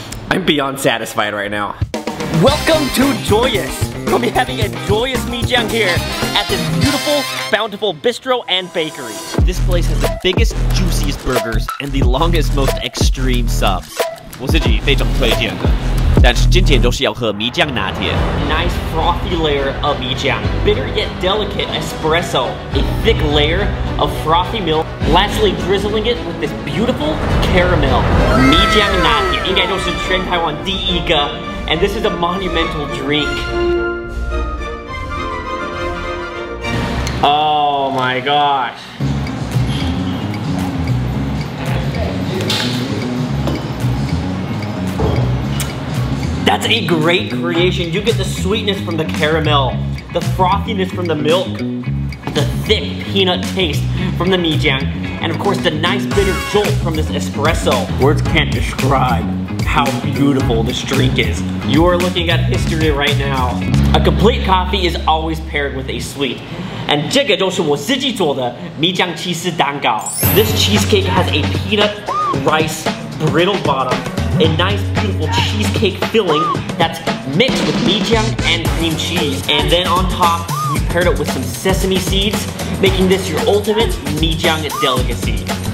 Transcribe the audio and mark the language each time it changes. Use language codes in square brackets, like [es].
[en] I'm beyond satisfied right now. Welcome to Joyous. We'll be having a joyous 米漿here at this beautiful, bountiful bistro and bakery. This place has the biggest, juiciest burgers and the longest, most extreme subs. [zh] 我自己非常推荐的。但是今天都是要喝米漿拿鐵。 [en] Nice frothy layer of 米漿.Bitter yet delicate espresso. A thick layer of frothy milk. Lastly, drizzling it with this beautiful caramel. [zh] 米漿拿鐵应该就是全台湾第一个。 [en] And this is a monumental drink. Oh my gosh. That's a great creation. You get the sweetness from the caramel, the frothiness from the milk, the thick peanut taste from the 米漿, and of course the nice bitter jolt from this espresso. Words can't describe how beautiful this drink is. You are looking at history right now. A complete coffee is always paired with a sweet. [zh] And 这个就是我自己做的米漿起司蛋糕. [en] This cheesecake has a peanut rice brittle bottom, a nice beautiful cheesecake filling that's mixed with 米漿 and cream cheese. And then on top, we paired it with some sesame seeds, making this your ultimate 米漿 delicacy.